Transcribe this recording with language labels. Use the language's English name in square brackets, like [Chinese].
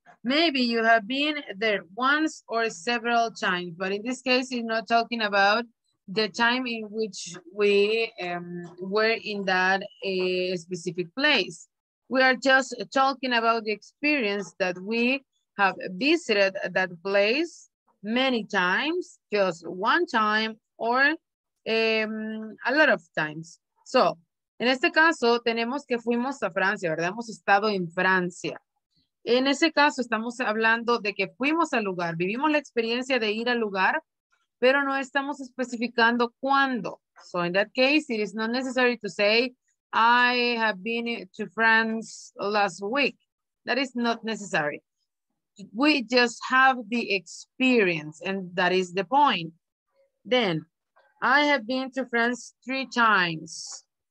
[English] Maybe you have been there once or several times, but in this case, it's not talking about the time in which we were in that specific place. We are just talking about the experience that we have visited that place many times, just one time or a lot of times. [Spanish] So, en este caso, tenemos que fuimos a Francia, ¿verdad? Hemos estado en Francia. En ese caso, estamos hablando de que fuimos al lugar, vivimos la experiencia de ir al lugar, pero no estamos especificando cuándo. [English] So, in that case, it is not necessary to say, I have been to France last week. That is not necessary. We just have the experience, and that is the point. Then, I have been to France 3 times.